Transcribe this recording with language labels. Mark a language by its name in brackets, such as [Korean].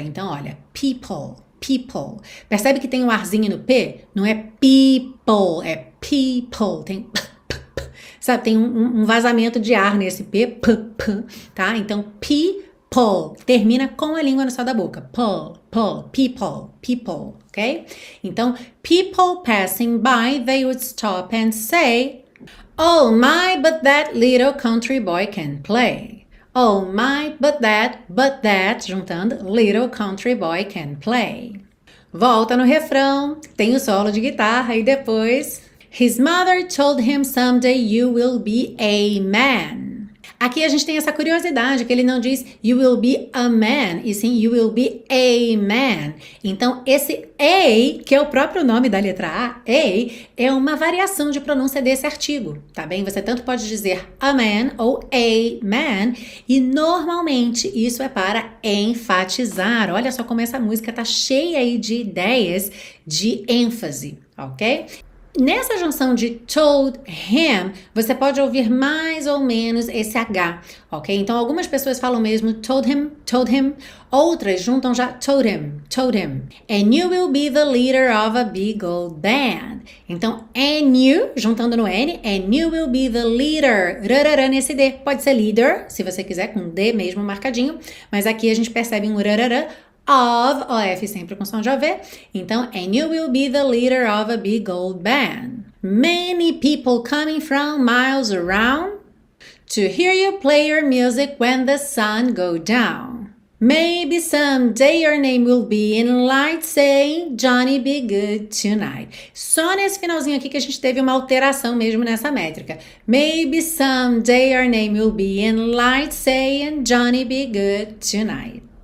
[Portuguese] Então, olha, [English] people, people. [Portuguese] Percebe que tem um arzinho no P? Não é people, é people. Tem p, p, p. Sabe, tem um vazamento de ar nesse P, p, p, tá? Então, people, termina com a língua no céu da boca. [English] People, people, people, ok? Então, people passing by, they would stop and say, oh my, but that little country boy can play. Oh my, but that, juntando, little country boy can play. [Portuguese] Volta no refrão, tem o solo de guitarra e depois... [English] His mother told him someday you will be a man. [Portuguese] Aqui a gente tem essa curiosidade que ele não diz [English] you will be a man, [Portuguese] e sim you will be a man. Então esse A, que é o próprio nome da letra A, A, é uma variação de pronúncia desse artigo, tá bem? Você tanto pode dizer a man ou a man, e normalmente isso é para enfatizar. Olha só como essa música tá cheia aí de ideias de ênfase, ok? Nessa junção de told him, você pode ouvir mais ou menos esse H, ok? Então, algumas pessoas falam mesmo told him, outras juntam já told him, told him. [English] And you will be the leader of a big old band. [Portuguese] Então, and you, juntando no N, [English] and you will be the leader, [Portuguese] rarara nesse D. Pode ser leader, se você quiser, com D mesmo marcadinho, mas aqui a gente percebe um rarara, of, OF sempre com som de OV. [English] Então, and you will be the leader of a big old band. Many people coming from miles around to hear you play your music when the sun go down. Maybe someday your name will be in light, saying Johnny be good tonight. [Portuguese] Só nesse finalzinho aqui que a gente teve uma alteração mesmo nessa métrica. [English] Maybe someday your name will be in light, saying Johnny be good tonight.